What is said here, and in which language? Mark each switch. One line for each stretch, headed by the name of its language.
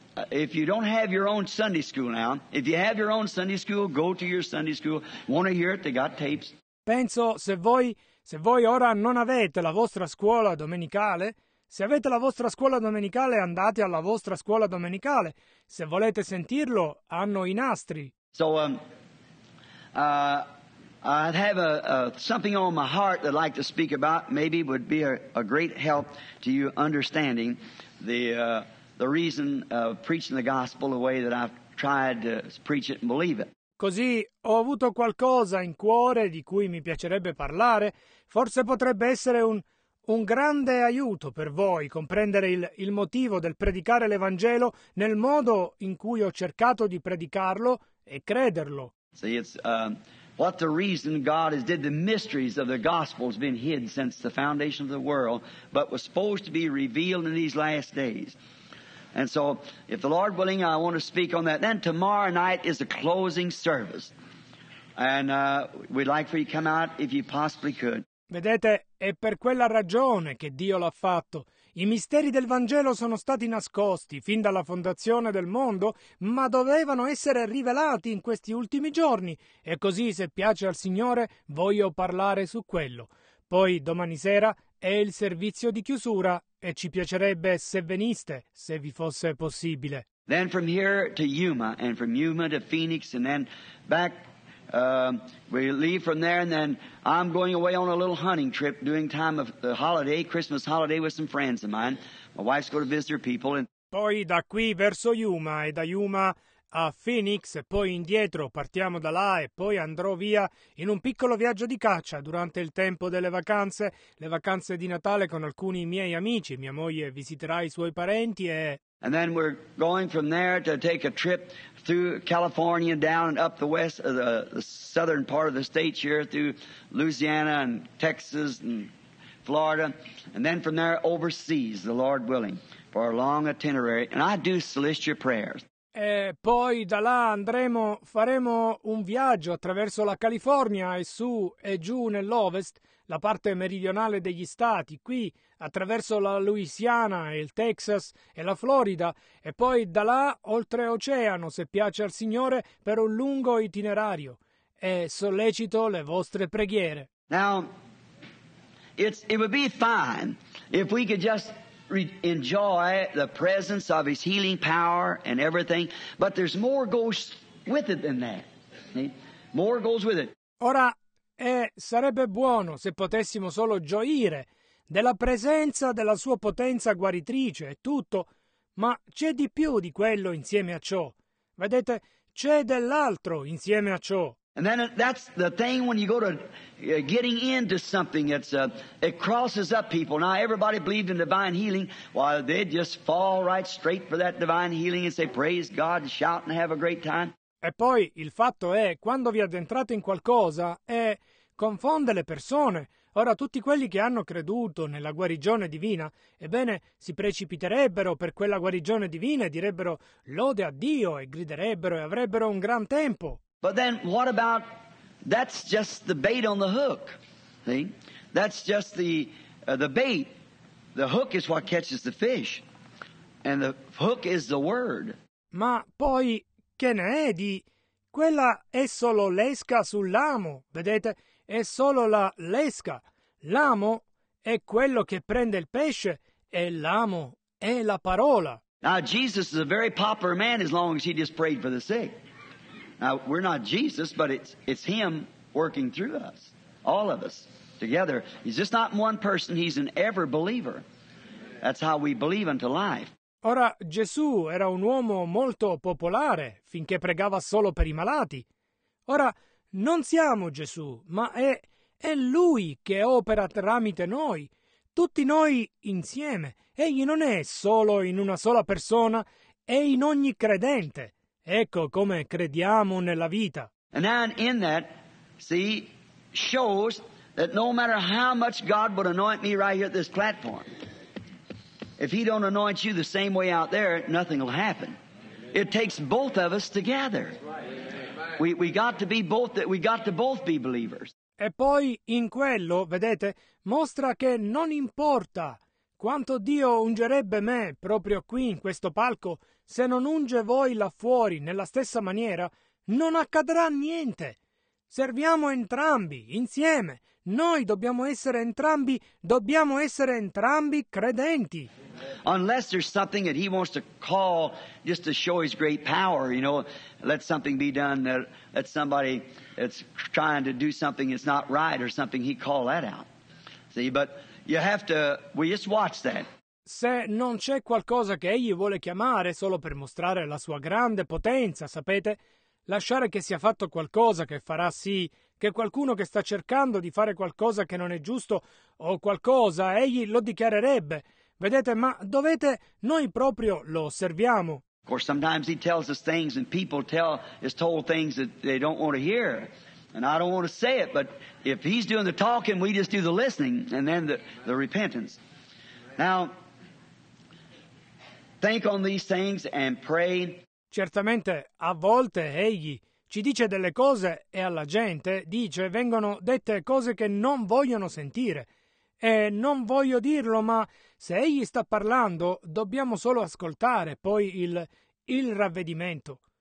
English: If you don't have your own Sunday school now, if you have your own Sunday school, go to your Sunday school. Want to hear it? They got tapes.
Italian: Penso, se voi ora non avete la vostra scuola domenicale, se avete la vostra scuola domenicale, andate alla vostra scuola domenicale. Se volete sentirlo, hanno i nastri.
English: So, I have something on my heart that I'd like to speak about. Maybe would be a great help to you understanding the reason of preaching the gospel the way that I've tried to preach it and believe it.
Italian: Così ho avuto qualcosa in cuore di cui mi piacerebbe parlare. Forse potrebbe essere un grande aiuto per voi comprendere il motivo del predicare l'Evangelo nel modo in cui ho cercato di predicarlo e crederlo.
English: See, it's what the reason God has did the mysteries of the gospel has been hid since the foundation of the world, but was supposed to be revealed in these last days. And so, if the Lord willing, I want to speak on that. Then tomorrow night is the closing service. And we'd like for you to come out if you possibly could.
Italian: Vedete, è per quella ragione che Dio l'ha fatto. I misteri del Vangelo sono stati nascosti fin dalla fondazione del mondo, ma dovevano essere rivelati in questi ultimi giorni. E così, se piace al Signore, voglio parlare su quello. Poi, domani sera, è il servizio di chiusura. E ci piacerebbe se veniste, se vi fosse possibile.
English: Then from here to Yuma, and from Yuma to Phoenix, and then back, we leave from there, and then I'm going away on a little hunting trip, doing time of the holiday, Christmas holiday, with some friends of mine. My wife's going to visit her people. And
Italian: poi da qui verso Yuma, e da Yuma a Phoenix, e poi indietro, partiamo da là, e poi andrò via in un piccolo viaggio di caccia durante il tempo delle vacanze, le vacanze di Natale, con alcuni miei amici. Mia moglie visiterà i suoi parenti e...
English: And then we're going from there to take a trip through California down and up the west, the southern part of the state here, through Louisiana and Texas and Florida, and then from there overseas, the Lord willing, for a long itinerary. And I do solicit your prayers.
Italian: E poi da là faremo un viaggio attraverso la California e su e giù nell'ovest, la parte meridionale degli stati, qui attraverso la Louisiana, il Texas e la Florida, e poi da là oltre oceano, se piace al Signore, per un lungo itinerario. E sollecito le vostre preghiere.
English: Now, it would be fine if we could just enjoy the presence of his healing power and everything, but there's more goes with it than that. More goes with it.
Italian: Ora, sarebbe buono se potessimo solo gioire della presenza della sua potenza guaritrice e tutto, ma c'è di più di quello insieme a ciò. Vedete, c'è dell'altro insieme a ciò.
English: And then that's the thing when you go to getting into something, it crosses up people. Now, everybody believed in divine healing. Well, they'd just fall right straight for that divine healing and say, praise God, shout and have a great time.
Italian: E poi il fatto è, quando vi addentrate in qualcosa, confonde le persone. Ora, tutti quelli che hanno creduto nella guarigione divina, ebbene, si precipiterebbero per quella guarigione divina e direbbero lode a Dio e griderebbero e avrebbero un gran tempo.
English: But then what about, that's just the bait on the hook, see? That's just the bait. The hook is what catches the fish, and the hook is the word.
Italian: Ma poi, che ne è di, quella è solo l'esca sull'amo, vedete? È solo l'esca. L'amo è quello che prende il pesce, e l'amo è la parola.
English: Now, Jesus is a very popular man as long as he just prayed for the sick. Now, we're not Jesus, but it's him working through us, all of us, together. He's just not one person, he's an ever believer. That's how we believe unto life.
Italian: Ora, Gesù era un uomo molto popolare, finché pregava solo per i malati. Ora, non siamo Gesù, ma è Lui che opera tramite noi, tutti noi insieme. Egli non è solo in una sola persona, è in ogni credente. Ecco come crediamo nella vita.
English: And then in that, see, shows that no matter how much God would anoint me right here at this platform, if he don't anoint you the same way out there, nothing will happen. It takes both of us together. We got to both be believers.
Italian: E poi in quello, vedete, mostra che non importa quanto Dio ungerebbe me proprio qui in questo palco, se non unge voi là fuori nella stessa maniera, non accadrà niente. Serviamo entrambi, insieme. Noi dobbiamo essere entrambi credenti.
English: Unless there's something that he wants to call just to show his great power, you know, let something be done, that somebody that's trying to do something that's not right or something, he call that out. See, but you have to, we just watch that.
Italian: Se non c'è qualcosa che egli vuole chiamare solo per mostrare la sua grande potenza, sapete, lasciare che sia fatto qualcosa che farà sì che qualcuno che sta cercando di fare qualcosa che non è giusto o qualcosa, egli lo dichiarerebbe. Vedete, ma dovete, noi proprio lo osserviamo.
English: Of course, sometimes he tells us things and people tell is told things that they don't want to hear. And I don't want to say it, but if he's doing the talking, we just do the listening and then the repentance. Now, think on these things and pray.
Italian: Certamente, a volte egli ci dice delle cose e alla gente dice vengono dette cose che non vogliono sentire. E non voglio dirlo, ma se egli sta parlando, dobbiamo solo ascoltare poi il ravvedimento.